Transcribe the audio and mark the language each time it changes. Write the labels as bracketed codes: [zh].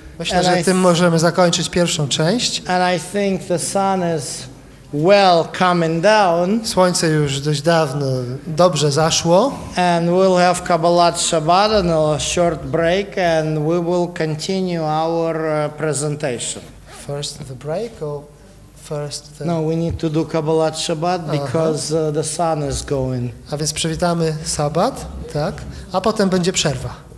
[pl] Myślę, że tym możemy zakończyć pierwszą część. [en] And I think the sun is well coming down. [pl] Słońce już dość dawno dobrze zaszło. [en] And we'll have Kabbalat Shabbat and a short break, and we will continue our presentation. First the break or first the... No, we need to do Kabbalat Shabbat because the sun is going. [pl] A więc przywitamy Sabbat, tak? A potem będzie przerwa.